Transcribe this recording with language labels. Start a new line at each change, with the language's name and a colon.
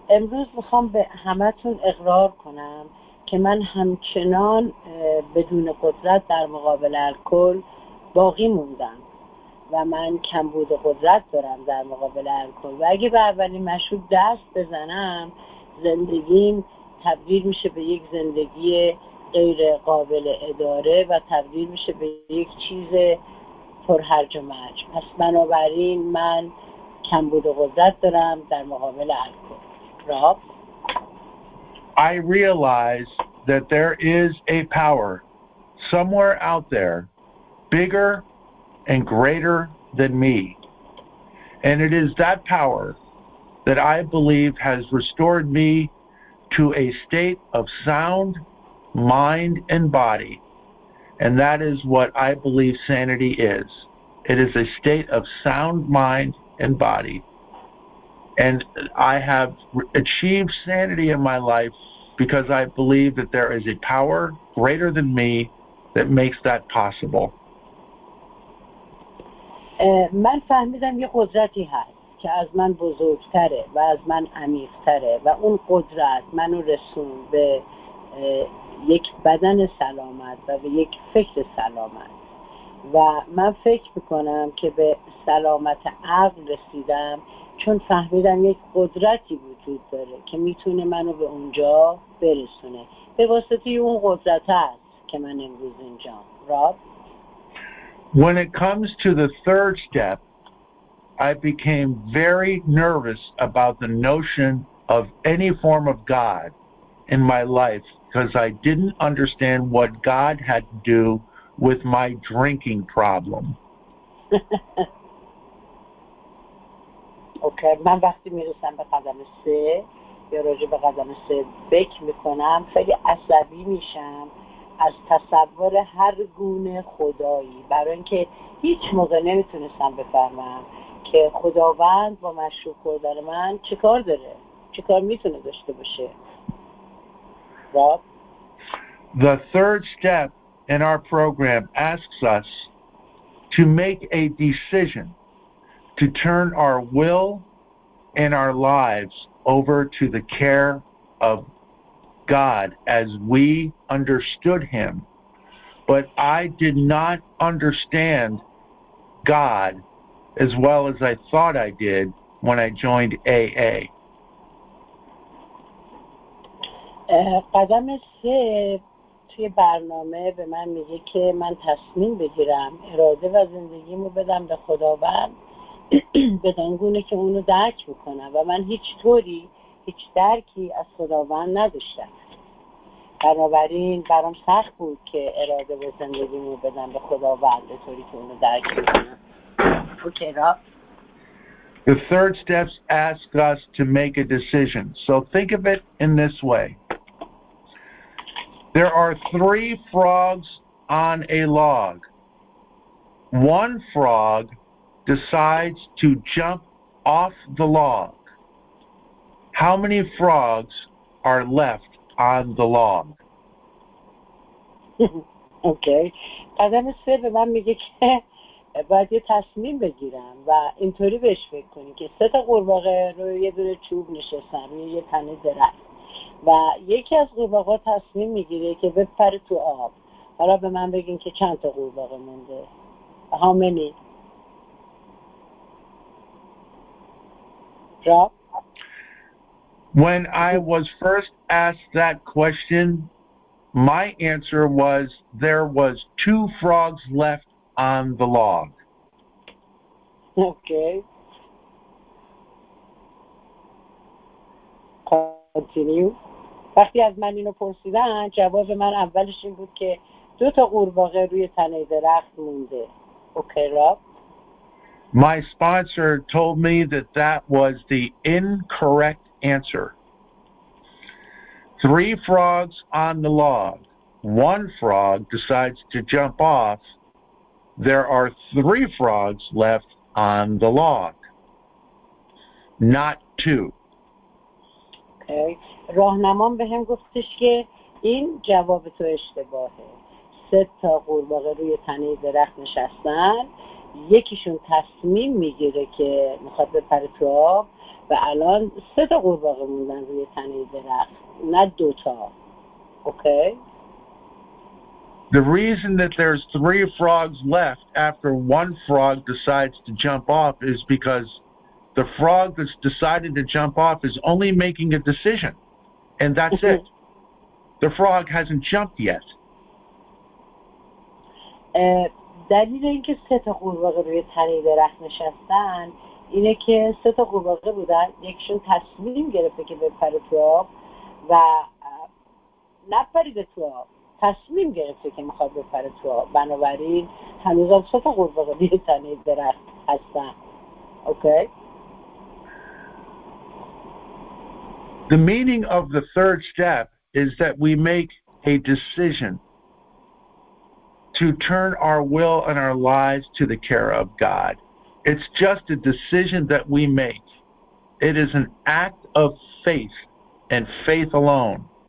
Persian: امروز میخوام به همتون اقرار کنم که من همچنان بدون قدرت در مقابل الکل باقی موندم و من کمبود قدرت دارم در مقابل الکل و اگه به اولین مشروب دست بزنم زندگیم تا تبدیل میشه به یک زندگی غیر قابل اداره و تبدیل میشه به یک چیز پر هرج و مرج. پس بنابراین من کمبود قدرت دارم در مقابل الکل.
English: Rob I realize that there is a power somewhere out there bigger and greater than me. And it is that power that I believe has restored me to a state of sound mind and body. And that is what I believe sanity is. It is a state of sound mind and body. And I have achieved sanity in my life because I believe that there is a power greater than me that makes that possible.
Persian: من فهمیدم یه قدرتی هست که از من بزرگتره و از من عمیق‌تره و اون قدرت منو رسون به یک بدن سلامت و به یک فکر سلامت و من فکر بکنم که به سلامت عقل رسیدم چون فهمیدم یک قدرتی وجود داره که میتونه منو به اونجا برسونه به واسطه اون قدرت هست که من امروز اینجام. راب
English: When it comes to the third step, I became very nervous about the notion of any form of God in my life because I didn't understand what God had to do with my drinking problem. Okay,
Persian: من وقتی میرسم به قدم سه یا راجع به قدم سه بک میکنم خیلی عصبی میشم از تصور هر گونه خدایی برای اینکه هیچ موقع نمیتونستم بفهمم که خداوند با مشروب خوردن من چیکار داره چیکار میتونه داشته باشه
English: The third step in our program asks us to make a decision to turn our will and our lives over to the care of God as we understood him but I did not understand God as well as I thought I did when I joined AA
Persian: قدم سه توی برنامه به من میگه که من تصمیم بگیرم اراده و زندگیمو بدم به خداوند بدان گونه که اونو درک بکنم و من هیچ طوری هیچ درکی از خداوند نداشتم بنابراین برام سخت بود که اراده و زندگیمو بدم به خداوند به طوری که اونو درک کنم.
English: Okay را The third steps ask us to make a decision. So think of it in this way. There are three frogs on a log. One frog decides to jump off the log. How many frogs are left on the log?
Persian: اوکی قدم سه به من میگه که باید یه تصمیم بگیرم و اینطوری بهش فکر کنی که سه تا قورباغه روی یه دونه چوب نشستن روی یه تنه درخت و یکی از قورباغه ها تصمیم میگیره که بپره تو آب حالا به من بگین که چند تا قورباغه مونده
English: How many? Drop. When I was first asked that question My answer was there was two frogs left on the log. Okay. Continue.
Persian: وقتی از من اینو پرسیدن جواب من اولش این بود که دو تا قورباغه روی تنه درخت مونده.
English: Okay, Rob. My sponsor told me that that was the incorrect answer. Three frogs on the log. One frog decides to jump off, there are three frogs left on the log, not two. Okay.
Persian: راهنمام به هم گفتش که این جواب تو اشتباهه. سه تا قورباغه روی تنه درخت نشستن. یکیشون تصمیم میگیره که میخواد بپره تو آب و الان سه تا قورباغه موندن روی تنه درخت. نه دوتا.
English: Okay. The reason that there's three frogs left after one frog decides to jump off is because the frog that's decided to jump off is only making a decision, and that's it. The frog hasn't jumped yet.
Persian: دلیل اینکه سه تا قورباغه روی تنه درخت نشستن اینه که سه تا قورباغه بودن، یکشون تصمیم گرفته که بپره تو آب و نپرید تو آب، تصمیم گرفته که میخواد بپره تو آب، بنابراین هنوز هم سه تا قورباغه روی تنه درخت هستن.
English: Okay? The meaning of the third step is that we make a decision to turn our will and our lives to the care of God. It's just a decision that we make. It is an act of faith and faith alone.